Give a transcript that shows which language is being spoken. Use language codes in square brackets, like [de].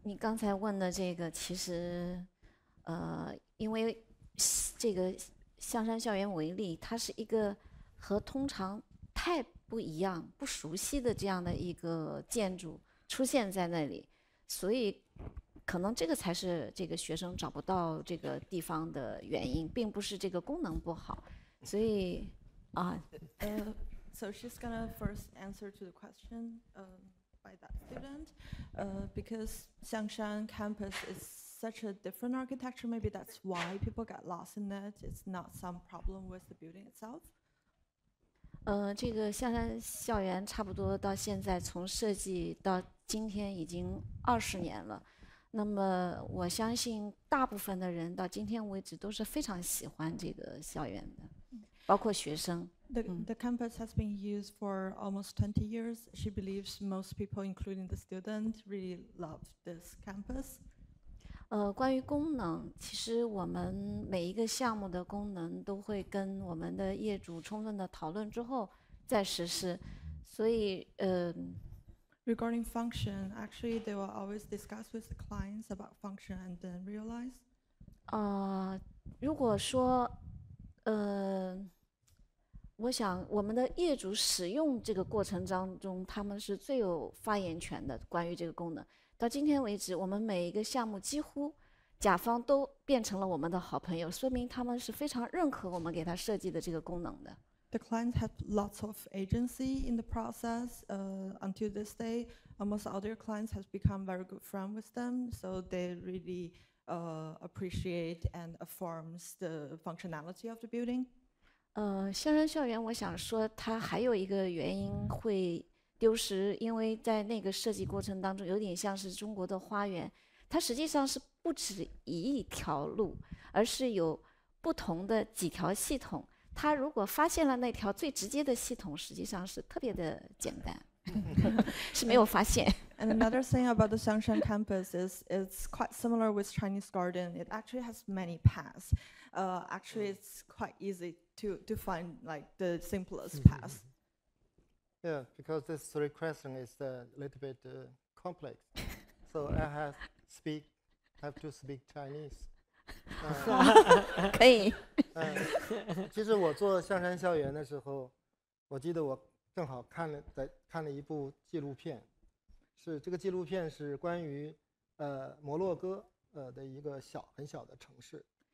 [zh] 你刚才问的这个，其实，因为这个象山校园为例，它是一个和通常太不一样、不熟悉的这样的一个建筑出现在那里，所以可能这个才是这个学生找不到这个地方的原因，并不是这个功能不好，所以啊。 [en] So she's gonna first answer to the question by that student, because Xiangshan campus is such a different architecture. Maybe that's why people got lost in it. It's not some problem with the building itself. [zh] 这个象山校园差不多到现在从设计到今天已经20年了。那么我相信大部分的人到今天为止都是非常喜欢这个校园的，包括学生。 [en] The campus has been used for almost 20 years. She believes most people, including the student, really love this campus. [zh] 关于功能，其实我们每一个项目的功能都会跟我们的业主充分的讨论之后再实施，所以 [en] Regarding function, actually, they will always discuss with the clients about function and then realize. [zh] 如果说，我想我们的业主使用这个过程当中，他们是最有发言权的。关于这个功能，到今天为止，我们每一个项目几乎甲方都变成了我们的好朋友，说明他们是非常认可我们给他设计的这个功能的。 [en] The clients have lots of agency in the process. Until this day, almost all their clients have become very good friends with them. So they really appreciate and affirms the functionality of the building. [zh] 象山校园，我想说它还有一个原因会丢失，因为在那个设计过程当中，有点像是中国的花园。它实际上是不止一条路，而是有不同的几条系统。他如果发现了那条最直接的系统，实际上是特别的简单，是没有发现。 [en] And another thing about the Xiangshan campus is it's quite similar with Chinese Garden. It actually has many paths. Actually, it's quite easy to find like the simplest path. Yeah, because this three question is a little bit complex, so I have to speak Chinese. [zh] 可以。其实我做象山校园的时候，我记得我正好看了一部纪录片，是这个纪录片是关于摩洛哥的一个小很小的城市。